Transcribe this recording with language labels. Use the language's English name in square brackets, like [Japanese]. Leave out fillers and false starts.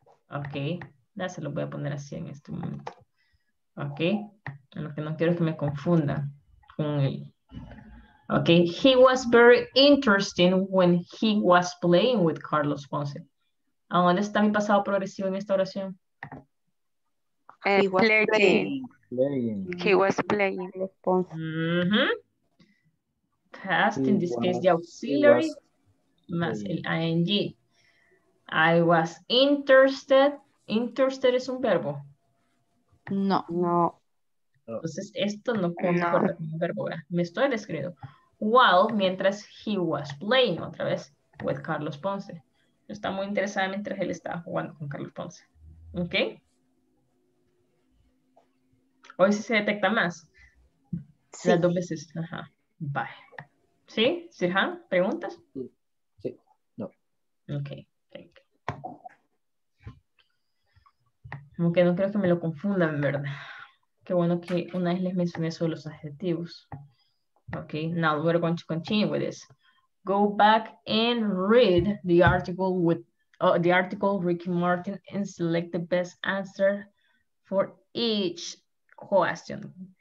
[Spanish] Ok, ya se lo voy a poner así en este momento. Ok, lo que no quiero es que me confunda con él. [English] Ok, he was very interesting when he was playing with Carlos Ponce. [Spanish] ¿A dónde está mi pasado progresivo en esta oración? [English] He was playing with Ponce. Mm-hmm. Past, in this case, the auxiliary, [Spanish] más el ing. [English] I was interested. ¿Interested [Spanish] es un verbo? No. Entonces esto no concuerda con un verbo. Me estoy describiendo. [English] While, mientras he was playing, [Spanish] otra vez, [English] with Carlos Ponce. [Spanish] Yo estaba muy interesada mientras él estaba jugando con Carlos Ponce. ¿Ok? Hoy sí se detecta más. Sí. Las dos veces. Ajá. Bye. ¿Sí? ¿Sirhan? ¿Preguntas? Sí. No. Ok. Como que no creo que me lo confundan, en verdad. Qué bueno que una vez les mencioné sobre los adjetivos. [English] Ok, now we're going to continue with this. Go back and read the article with Oh, the article, Ricky Martin, and select the best answer for each question.